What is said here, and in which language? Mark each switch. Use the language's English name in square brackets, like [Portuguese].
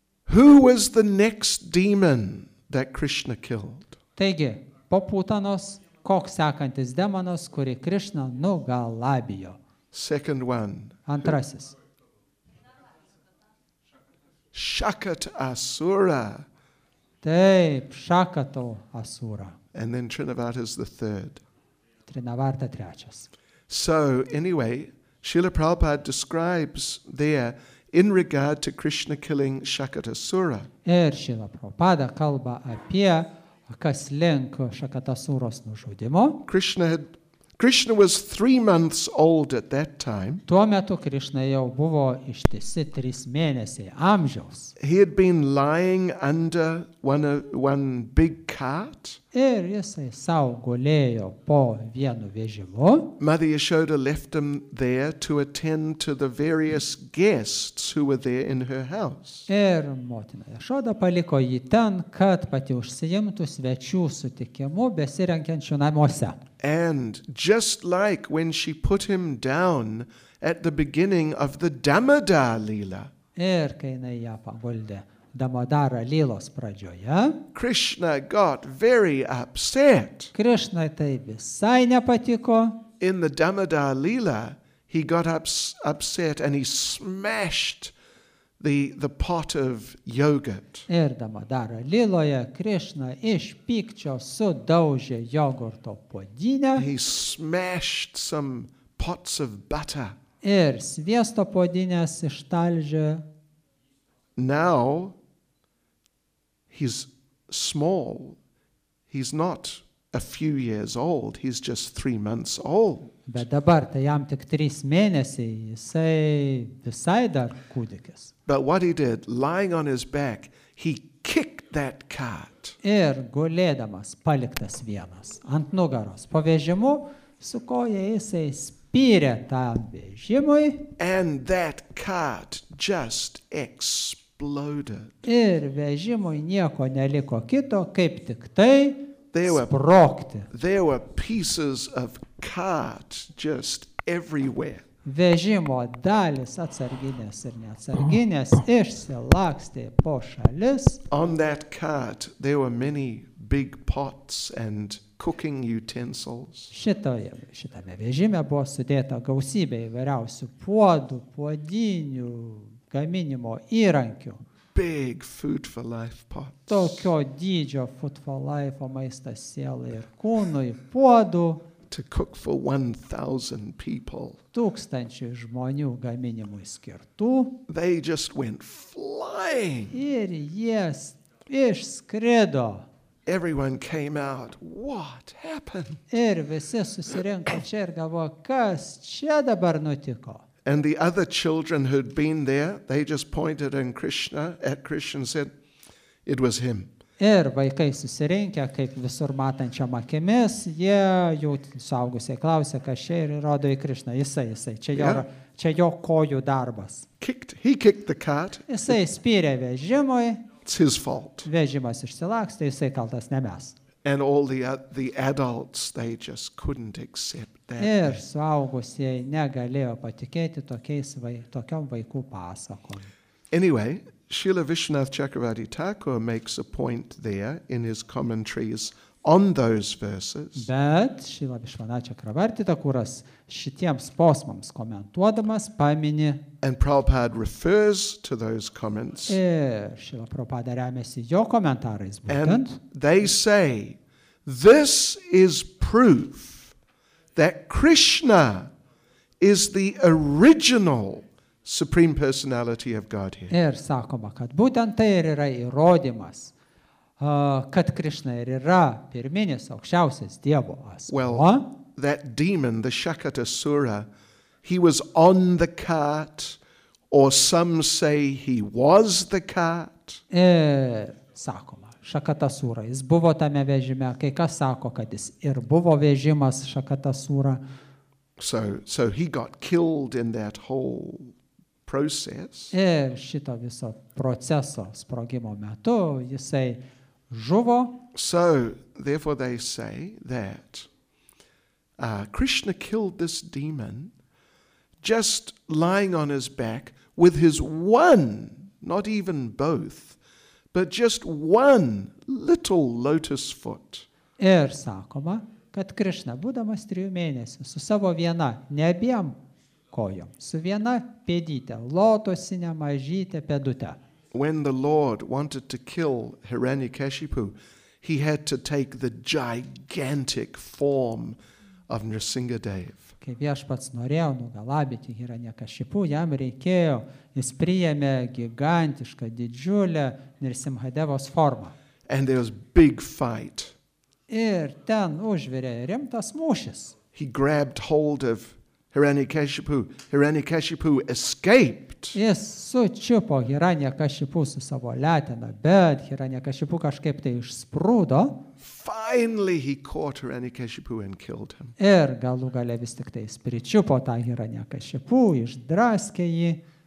[English] Who was the next demon that Krishna killed? [Lithuanian] Taigi, po Putanos, koks sekantis demonas, kurį Krishna nugalabijo? [English] Second one. [Lithuanian] Antrasis. [English] Shakat Asura. [Lithuanian] Taip, Shakato Asura. [English] And then Trinavarta is the third. [Lithuanian] Trinavarta trečias. [English] So, anyway, Srila Prabhupada describes there in regard to Krishna killing Shakatasura. [Lithuanian] Ir Srila Prabhupada kalba apie kas link Shakatasuros nužudimo. [English] Krishna was 3 months old at that time. [Lithuanian] Tuo metu Krishna jau buvo ištisi 3 mėnesiai amžiaus. [English] He had been lying under one big cart. [Lithuanian] Ir jisai sau gulėjo po vienu vežimu. [English] Mother Yashoda left him there to attend to the various guests who were there in her house. [Lithuanian] Ir motina Yashoda paliko jį ten, kad pati užsiimtų svečių sutikimu besirenkiančių namuose. [English] And just like when she put him down at the beginning of the Damodā Līla. [Lithuanian] Ir kai jinai ją paguldė Damodara Lilos pradžioje. [English] Krishna got very upset. [Lithuanian] Krishna tai visai nepatiko. [English] In the Damodara Lila, he got upset and he smashed the pot of yogurt. [Lithuanian] Ir Damodara Liloje Krishna iš pykčio sudaužė jogurto puodinę. [English] He smashed some pots of butter. [Lithuanian] Ir sviesto puodinės ištalžė. [English] Now he's small. He's not a few years old. He's just 3 months old. [Lithuanian] Bet dabar tai jam tik 3 mėnesiai, jisai visai dar kūdikis. [English] But what he did, lying on his back, he kicked that cart. [Lithuanian] Ir gulėdamas paliktas vienas ant nugaros po vežimu, su koja jisai spyrė tą vežimui. [English] And that cart just exploded. [Lithuanian] Ir vežimui nieko neliko kito, kaip tik tai sprogti. [English] There were pieces of cart just everywhere. [Lithuanian] Vežimo dalis atsarginės ir neatsarginės išsilakstė po šalis. [English] On that cart there were many big pots and cooking utensils. [Lithuanian] Šitame vežime buvo sudėta gausybė įvairiausių puodų, puodinių, gaminimo įrankių. [English] Big food for life pots. [Lithuanian] Tokio dydžio [English] food for life, [Lithuanian] maistas sielai ir kūnui, puodų. [English] To cook for 1,000 people. [Lithuanian] Tūkstančių žmonių gaminimui skirtų. [English] They just went flying. [Lithuanian] Ir jie išskrido. [English] Everyone came out. What happened? [Lithuanian] Ir visi susirinko čia ir galvojo, kas čia dabar nutiko. [English] And the other children who'd been there, they just pointed at Krishna and said, it was him. [Lithuanian] Ir vaikai susirinkę, kaip visur matančiam akimis, jie jau suaugusiai klausė, kas čia ir rodo į Krishna. Jisai, čia jo kojų darbas. [English] He kicked the cart. [Lithuanian] Jisai spyrė vežimui. [English] It's his fault. [Lithuanian] Vežimas išsilakstė, jisai kaltas ne mes. [English] And all the adults, they just couldn't accept that. [Lithuanian] Ir suaugusiai negalėjo patikėti tokiom vaikų pasakom. [English] Anyway, Srila Vishwanatha Chakravarti Thakur makes a point there in his commentaries on those verses. [Lithuanian] Bet Srila Vishwanatha Chakravarti Thakuras šitiems posmams komentuodamas pamini. [English] And Prabhupada refers to those comments. [Lithuanian] Ir Srila Prabhupada remiasi jo komentarais būtent. [English] And they say, this is proof that Krishna is the original Supreme Personality of Godhead. [Lithuanian] Ir sakoma, kad būtent tai ir yra įrodymas, kad Krishna ir yra pirminis aukščiausias Dievo asmuo. [English] Well, that demon, the Shakatasura, he was on the cart, or some say he was the cart. [Lithuanian] Ir sakoma, Shakatasura, jis buvo tame vežime, kai kas sako, kad jis ir buvo vežimas Shakatasura. [English] So he got killed in that whole process. [Lithuanian] Ir šito viso proceso sprogimo metu jisai žuvo. [English] So therefore they say that Krishna killed this demon just lying on his back with his one, not even both, but just one little lotus foot. [Lithuanian] Ir sakoma, kad Krishna būdamas 3 mėnesių su savo viena, ne abiem kojom, su viena pėdyte, lotosinė mažytė pėdutė. [English] When the Lord wanted to kill Hiranyakashipu, he had to take the gigantic form of Nrisingadev. [Lithuanian] Kai viešpats norėjo nugalabyti Hiranyakashipu, jam reikėjo, jis priėmė gigantišką, didžiulę Nrisimhadevos formą. [English] And there was big fight. [Lithuanian] Ir ten užvirė rimtas mūšis. [English] He grabbed hold of Hiranyakashipu escaped. [Lithuanian] Jis sučiupo Hiranyakashipu su savo letena, bet Hiranyakashipu kažkaip tai išsprūdo. [English] Finally he caught Hiranyakashipu and killed him. [Lithuanian] Ir galų gale vis tik tai pričiupo tą Hiranyakashipu, išdraskė jį.